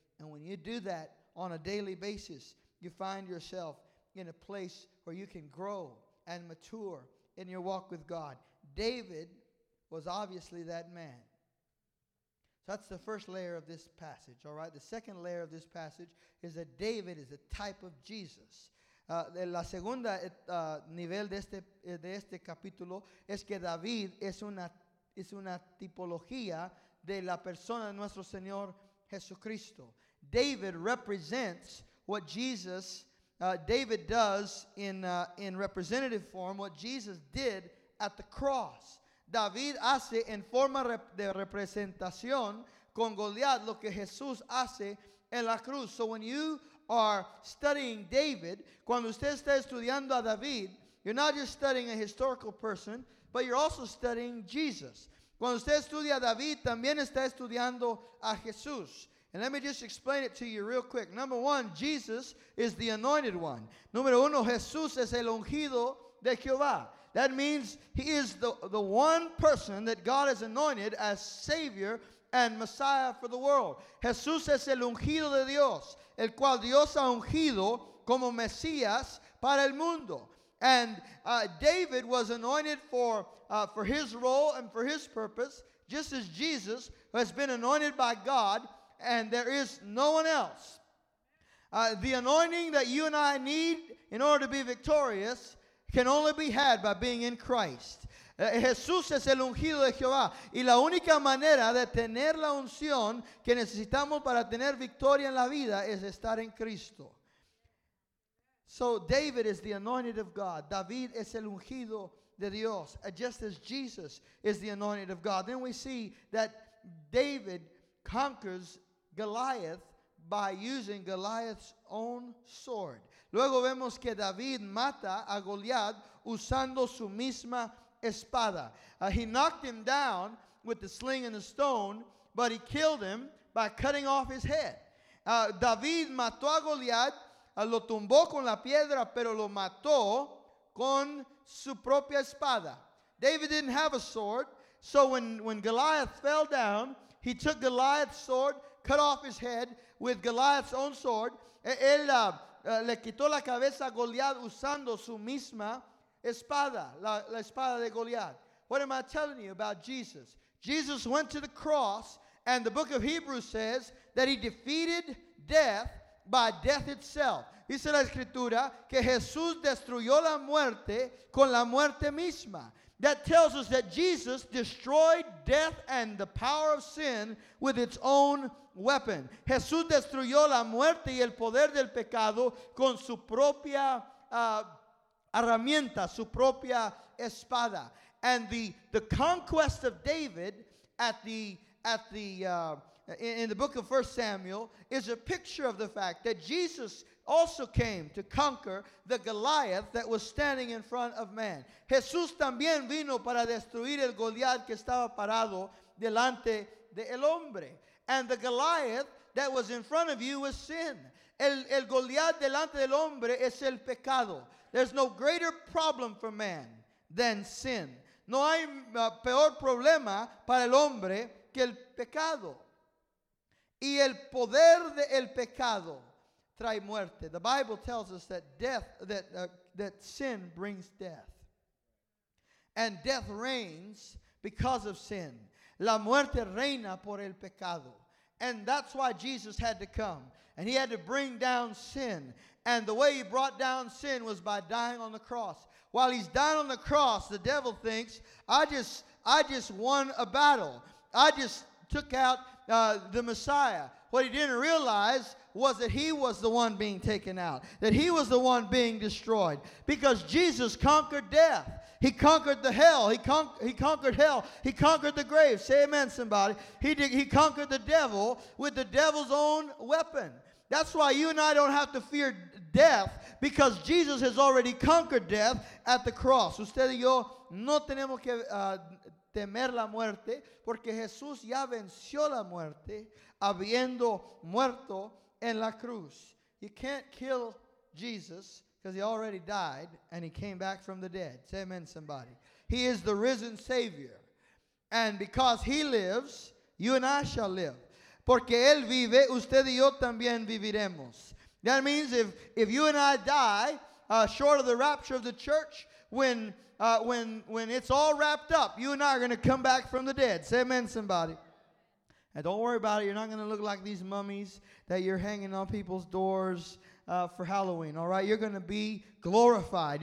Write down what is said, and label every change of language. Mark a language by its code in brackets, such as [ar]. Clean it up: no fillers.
[en] And when you do that on a daily basis, you find yourself in a place where you can grow and mature in your walk with God. David was obviously that man. So that's the first layer of this passage, all right? The second layer of this passage is that David is a type of Jesus. [es] La segunda nivel de este capítulo es que David es una tipología de la persona de nuestro Señor Jesucristo. [en] David represents what Jesus, David does in representative form what Jesus did at the cross. [es] David hace en forma de representación con Goliat lo que Jesús hace en la cruz. [en] So when you are studying David, [es] cuando usted está estudiando a David, [en] you're not just studying a historical person, but you're also studying Jesus. [es] Cuando usted estudia a David, también está estudiando a Jesús. [en] And let me just explain it to you real quick. Number one, Jesus is the anointed one. [es] Número uno, Jesús es el ungido de Jehová. [en] That means he is the one person that God has anointed as Savior and Messiah for the world. [es] Jesús es el ungido de Dios, el cual Dios ha ungido como Mesías para el mundo. [en] And David was anointed for his role and for his purpose, just as Jesus has been anointed by God, and there is no one else. The anointing that you and I need in order to be victorious can only be had by being in Christ. [es] Jesús es el ungido de Jehová. Y la única manera de tener la unción que necesitamos para tener victoria en la vida es estar en Cristo. [en] So David is the anointed of God. [es] David es el ungido de Dios. [en] Just as Jesus is the anointed of God. Then we see that David conquers Goliath by using Goliath's own sword. [es] Luego vemos que David mata a Goliath usando su misma espada. [en] He knocked him down with the sling and the stone, but he killed him by cutting off his head. [es] David mató a Goliath, lo tumbó con la piedra, pero lo mató con su propia espada. [en] David didn't have a sword, so when Goliath fell down, he took Goliath's sword, cut off his head with Goliath's own sword. [es] Le quitó la cabeza a Goliath usando su misma espada, la espada de Goliath. [en] What am I telling you about Jesus? Jesus went to the cross, and the book of Hebrews says that he defeated death by death itself. [es] Dice la escritura que Jesús destruyó la muerte con la muerte misma. [en] That tells us that Jesus destroyed death and the power of sin with its own weapon. [es] Jesús destruyó la muerte y el poder del pecado con su propia herramienta, su propia espada. [en] And the conquest of David in the book of 1 Samuel is a picture of the fact that Jesus also came to conquer the Goliath that was standing in front of man. [es] Jesús también vino para destruir el Goliath que estaba parado delante de el hombre. [en] And the Goliath that was in front of you was sin. [es] El Goliath delante del hombre es el pecado. [en] There's no greater problem for man than sin. [es] No hay peor problema para el hombre que el pecado. Y el poder de el pecado trae muerte. [en] The Bible tells us that that sin brings death. And death reigns because of sin. [es] La muerte reina por el pecado. [en] And that's why Jesus had to come. And he had to bring down sin. And the way he brought down sin was by dying on the cross. While he's dying on the cross, the devil thinks, I just won a battle. I just took out the Messiah. What he didn't realize was that he was the one being taken out. That he was the one being destroyed. Because Jesus conquered death. He conquered the hell. He conquered hell. He conquered the grave. Say amen, somebody. He conquered the devil with the devil's own weapon. That's why you and I don't have to fear death, because Jesus has already conquered death at the cross. [es] Usted y yo no tenemos que temer la muerte, porque Jesús ya venció la muerte habiendo muerto en la cruz. [en] You can't kill Jesus because he already died and he came back from the dead. Say amen, somebody. He is the risen Savior. And because he lives, you and I shall live. [es] Porque él vive, usted y yo también viviremos. [en] That means if you and I die short of the rapture of the church, when it's all wrapped up, you and I are going to come back from the dead. Say amen, somebody. And don't worry about it. You're not going to look like these mummies that you're hanging on people's doors for Halloween, all right? You're going to be glorified.